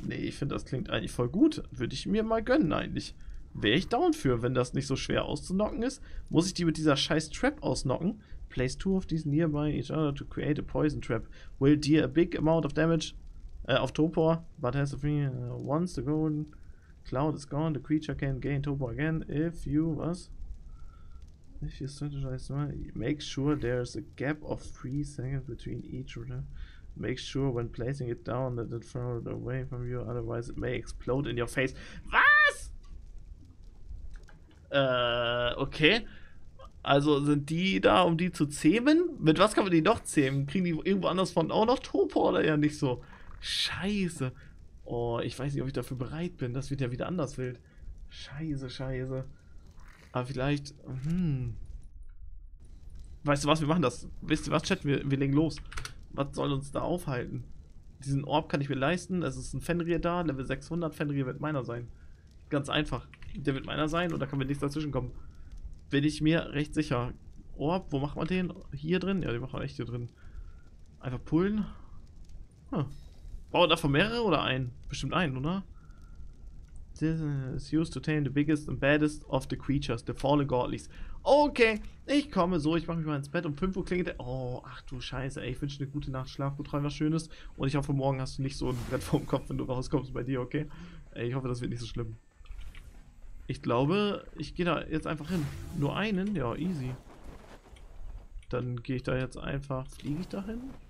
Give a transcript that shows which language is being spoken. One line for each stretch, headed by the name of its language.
German: Nee, ich finde, das klingt eigentlich voll gut. Würde ich mir mal gönnen eigentlich. Wäre ich down für, wenn das nicht so schwer auszunocken ist? Muss ich die mit dieser scheiß Trap ausnocken?
English: Place two of these nearby each other to create a poison trap. Will deal a big amount of damage auf Topor, but has to be once the golden cloud is gone, the creature can gain Topor again if you, was? If you strategize, make sure there is a gap of 3 seconds between each other. Make sure when placing it down that it falls away from you, otherwise it may explode in your face.
German: Was? Okay. Also sind die da, um die zu zähmen? Mit was kann man die noch zähmen? Kriegen die irgendwo anders von auch noch Topor oder ja nicht so? Scheiße. Oh, ich weiß nicht, ob ich dafür bereit bin. Das wird ja wieder anders wild. Scheiße. Aber vielleicht. Weißt du was? Wir machen das. Wisst ihr was, Chat? Wir legen los. Was soll uns da aufhalten? Diesen Orb kann ich mir leisten. Es ist ein Fenrir da. Level 600. Fenrir wird meiner sein. Ganz einfach. Der wird meiner sein und da kann mir nichts dazwischen kommen. Bin ich mir recht sicher. Orb, wo macht man den? Hier drin? Ja, den machen wir echt hier drin. Einfach pullen. Huh. Oh, davon mehrere oder ein? Bestimmt ein, oder?
English: This is used to tame the biggest and baddest of the creatures, the fallen godlies.
German: Okay, ich komme so, ich mache mich mal ins Bett. Um 5 Uhr klingelt der. Oh, ach du Scheiße, ey. Ich wünsche eine gute Nacht, Schlaf, gut träum was Schönes. Und ich hoffe, morgen hast du nicht so ein Brett vorm Kopf, wenn du rauskommst bei dir, okay? Ey, ich hoffe, das wird nicht so schlimm. Ich glaube, ich gehe da jetzt einfach hin. Nur einen? Ja, easy. Dann gehe ich da jetzt einfach. Fliege ich da hin?